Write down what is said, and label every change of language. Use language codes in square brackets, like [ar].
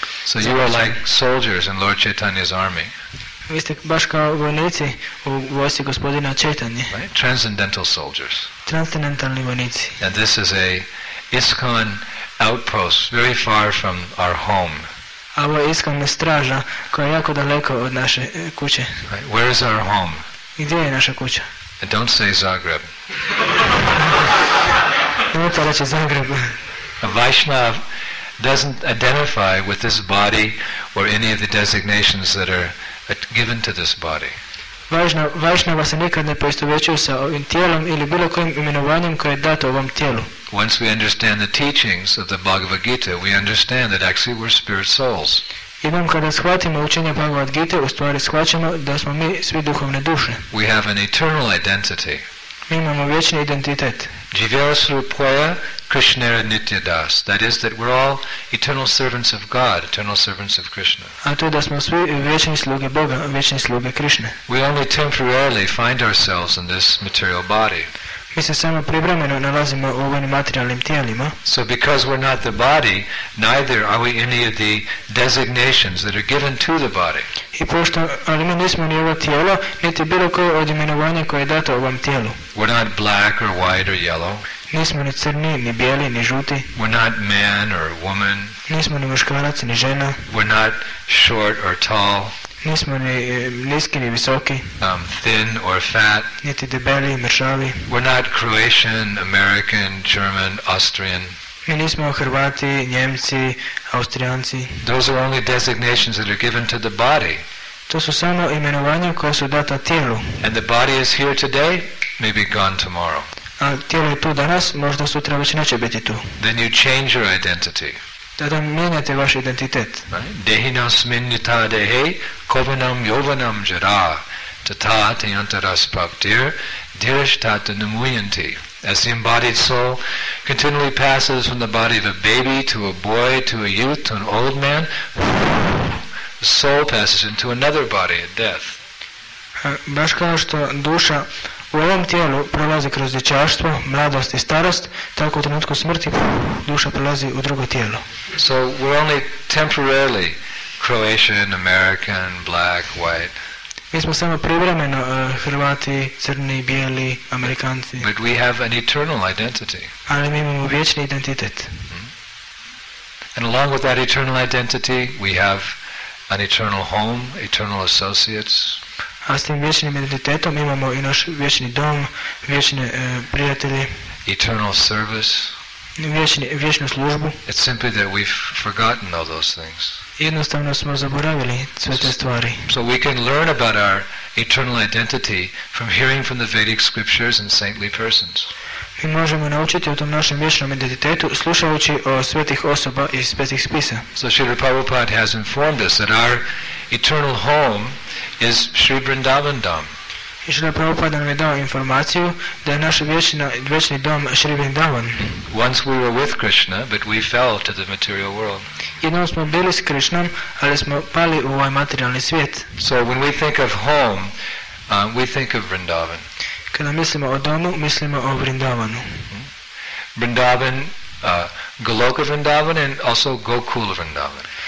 [en] So you are like soldiers in Lord Chaitanya's army. [hr] Vi ste baš kao vojnici u vojsci gospodina Chaitanya. [en] Right? Transcendental soldiers. [hr] Transcendentalni vojnici. [en] And this is a ISKCON outpost, very far from our home. [hr] A ovo je iskona straža koja je jako daleko od naše kuće. [en] Right. Where is our home? [hr] I gdje je naša kuća? [en] And don't say Zagreb. [hr] Nemojte reći Zagreb. [en] A Vaishnav doesn't identify with this body or any of the designations that are given to this body. [hr] Vaishnava se nikad ne poistovjećuje sa ovim tijelom ili bilo kojim imenovanjem koje je dato ovom tijelu. [en] Once we understand the teachings of the Bhagavad Gita, we understand that actually we're spirit souls. [hr] Jednom kada shvatimo učenje Bhagavad Gita, u stvari shvaćamo da smo mi svi duhovne duše. [en] We have an eternal identity. [hr] Mi imamo vječni identitet. [bn] Jivera Srupoya Krishnera Nitya Das. [en] That is that we're all eternal servants of God, eternal servants of Krishna. [hr] A to je da smo svi vječni sluge Boga, vječni sluge Krishna. [en] We only temporarily find ourselves in this material body. [hr] Mi se samo privremeno nalazimo u ovim materijalnim tijelima. [en] So because we're not the body, neither are we any of the designations that are given to the body. [hr] I pošto, ali mi nismo ni ovo tijelo, niti bilo koje od imenovanja koje je dato ovom tijelu. [en] We're not black or white or yellow. [hr] Nismo ni crni, ni bijeli, ni žuti. [en] We're not man or woman. [hr] Nismo ni muškarac, ni žena. [en] We're not short or tall. [hr] Nismo ni niski ni visoki. [en] Thin or fat. [hr] Niti debeli, mršavi. [en] We're not Croatian, American, German, Austrian. [hr] Mi nismo Hrvati, Njemci, Austrijanci. [en] Those are only designations that are given to the body. [hr] To su samo imenovanja koja su data tijelu. [en] And the body is here today, maybe gone tomorrow. [hr] A tijelo je tu danas, možda sutra već neće biti tu. [en] Then you change your identity. [hr] Tada mijenjate vaš identitet. [sa] Dehina sminjita dehe kovanam jovanam jara tata tajantaras praptir dirashtata namuyanti. [en] As the embodied soul continually passes from the body of a baby to a boy to a youth to an old man, the soul passes into another body at death. [hr] Baš kao što duša U ovom tijelu prolazi kroz dječaštvo, mladost i starost, tako u trenutku smrti duša prolazi u drugo tijelo. [en] So we're only temporarily Croatian, American, black, white. [hr] Mi smo samo privremeno Hrvati, crni, bijeli, Amerikanci. [en] But we have an eternal identity. [hr] Ali mi imamo vječni identitet. [en] And along with that eternal identity, we have an eternal home, eternal associates. [hr] A s tim vječnim identitetom imamo i naš vječni dom, vječne prijatelje. [en] Eternal service. [hr] Vječnu službu. [en] It's simply that we've forgotten all those things. [hr] Jednostavno smo zaboravili sve te stvari. [en] So we can learn about our eternal identity from hearing from the Vedic scriptures and saintly persons. [hr] Mi možemo naučiti o tom našem vječnom identitetu slušajući o svetih osoba iz svetih spisa. [en] So Srila Prabhupada has informed us that our eternal home is Sri Vrindavan Dham. [hr] Srila Prabhupada nam je dao informaciju da je naš vječni dom Sri Vrindavan. [en] Once we were with Krishna, but we fell to the material world. [hr] Jednom smo bili s Krishnom, ali smo pali u ovaj materijalni svijet. [en] So when we think of home, we think of Vrindavan. [hr] Kada mislimo o domu, mislimo o Vrindavanu. [en] Vrindavan, Goloka Vrindavan and also Gokula Vrindavan.